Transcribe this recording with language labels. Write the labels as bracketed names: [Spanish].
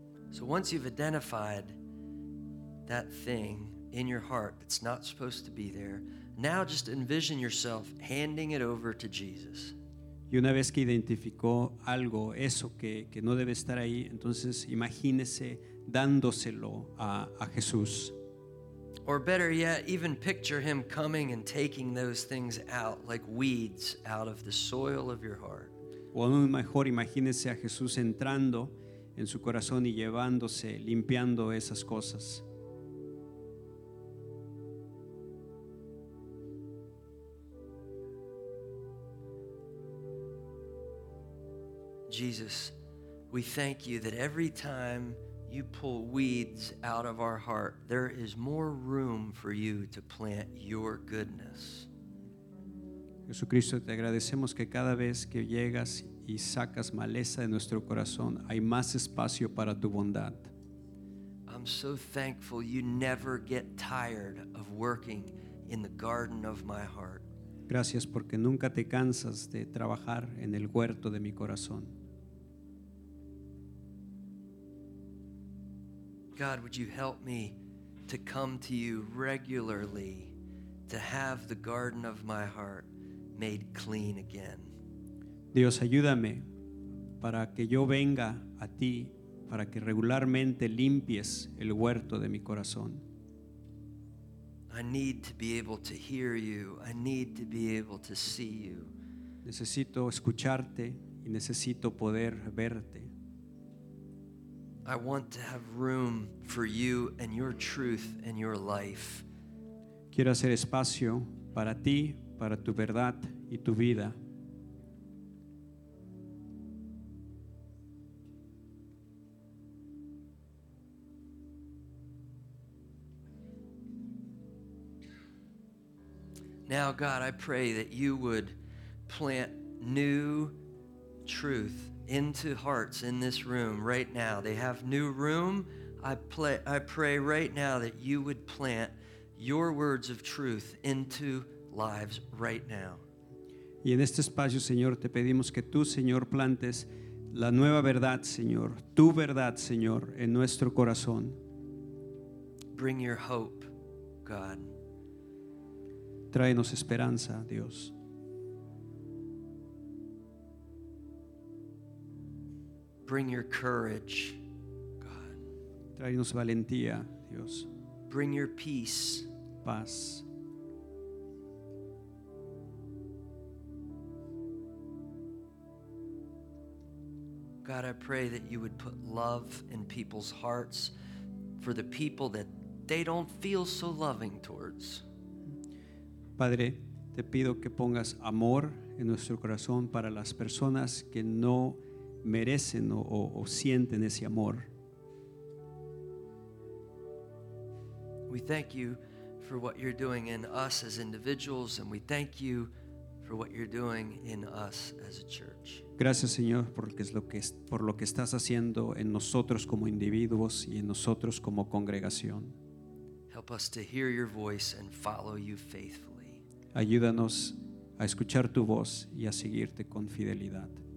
[English] So once you've identified that thing in your heart that's not supposed to be there, now just envision yourself handing it over to Jesus. [Spanish] Y una vez que identificó algo, eso que no debe estar ahí, entonces imagínese dándoselo a Jesús. [English] Or better yet, even picture him coming and taking those things out like weeds out of the soil of your heart. [Spanish] O aún mejor, imagínese a Jesús entrando en su corazón y llevándose, limpiando esas cosas. [English] Jesus, we thank you that every time you pull weeds out of our heart, there is more room for you to plant your goodness. [Spanish] Jesucristo, te agradecemos que cada vez que llegas y sacas maleza de nuestro corazón, hay más espacio para tu bondad. [English] I'm so thankful you never get tired of working in the garden of my heart. [Spanish] Gracias porque nunca te cansas de trabajar en el huerto de mi corazón. [English] God, would you help me to come to you regularly to have the garden of my heart made clean again? [Spanish] Dios, ayúdame para que yo venga a ti para que regularmente limpies el huerto de mi corazón. [English] I need to be able to hear you. I need to be able to see you. [Spanish] Necesito escucharte y necesito poder verte. [English] I want to have room for you and your truth and your life. [Spanish] Quiero hacer espacio para ti, para tu verdad y tu vida. [English] Now, God, I pray that you would plant new truth into hearts in this room right now. They have new room. I pray right now that you would plant your words of truth into lives right now. [Spanish] Y en este espacio, Señor, te pedimos que tú, Señor, plantes la nueva verdad, Señor, tu verdad, Señor, en nuestro corazón. [English] Bring your hope, God. [Spanish] Tráenos esperanza, Dios. [English] Bring your courage, God. [Spanish] Tráenos valentía, Dios. [English] Bring your peace. [Spanish] Paz. [English] God, I pray that you would put love in people's hearts for the people that they don't feel so loving towards. [Spanish] Padre, te pido que pongas amor en nuestro corazón para las personas que no merecen o sienten ese amor. [English] We thank you for what you're doing in us as individuals, and we thank you for what you're doing in us as a church. [Spanish] Gracias, Señor, por lo que estás haciendo en nosotros como individuos y en nosotros como congregación. [English] Help us to hear your voice and follow you faithfully. [Spanish] Ayúdanos a escuchar tu voz y a seguirte con fidelidad.